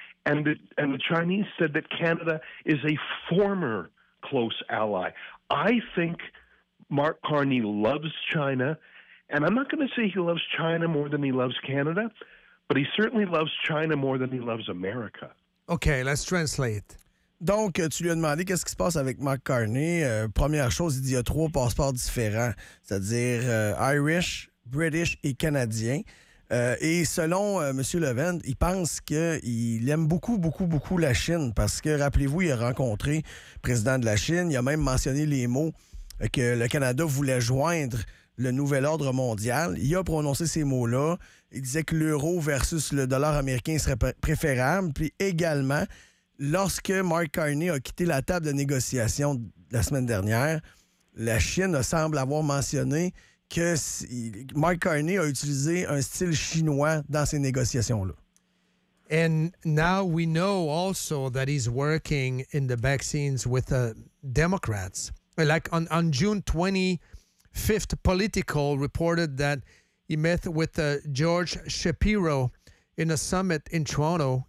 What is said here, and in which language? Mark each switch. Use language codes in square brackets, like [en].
[en] And the Chinese said that Canada is a former close ally. I think Mark Carney loves China, and I'm not going to say he loves China more than he loves Canada, but he certainly loves China more than he loves America. Okay, let's translate. [fr] Donc, tu lui as demandé qu'est-ce qui se passe avec Mark Carney. Première chose, il dit qu'il y a trois passeports différents, c'est-à-dire Irish, British et Canadien. Et selon M. Levent, il pense qu'il aime beaucoup, beaucoup, beaucoup la Chine, parce que, rappelez-vous, il a rencontré le président de la Chine, il a même mentionné les mots que le Canada voulait joindre le nouvel ordre mondial. Il a prononcé ces mots-là. Il disait que l'euro versus le dollar américain serait préférable. Puis également, lorsque Mark Carney a quitté la table de négociation la semaine dernière, la Chine semble avoir mentionné que Mark Carney a utilisé un style chinois dans ces négociations-là. [en] And now we know also that he's working in the back scenes with the Democrats. Like on June 25th, Politico reported that he met with George Shapiro in a summit in Toronto.